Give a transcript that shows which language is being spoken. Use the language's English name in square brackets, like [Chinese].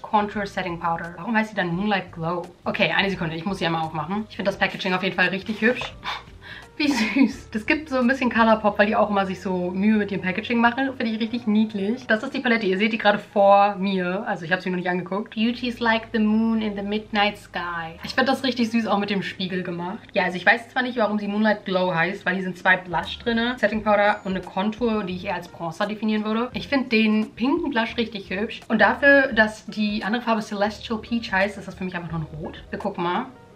[German] Contour Setting Powder. Warum heißt sie dann Moonlight Glow? Okay, eine Sekunde. Ich muss sie einmal aufmachen. Ich finde das Packaging auf jeden Fall richtig hübsch. Wie süß. Das gibt so ein bisschen Colourpop, weil die auch immer sich so Mühe mit dem Packaging machen. Finde ich richtig niedlich. Das ist die Palette. Ihr seht die gerade vor mir. Also ich habe sie noch nicht angeguckt. [English] Beauty is like the moon in the midnight sky. [German] Ich finde das richtig süß auch mit dem Spiegel gemacht. Ja, also ich weiß zwar nicht, warum sie Moonlight Glow heißt, weil hier sind zwei Blush drin. Setting Powder und eine Contour, die ich eher als Bronzer definieren würde. Ich finde den pinken Blush richtig hübsch. Und dafür, dass die andere Farbe Celestial Peach heißt, ist das für mich einfach nur ein Rot. Wir gucken mal.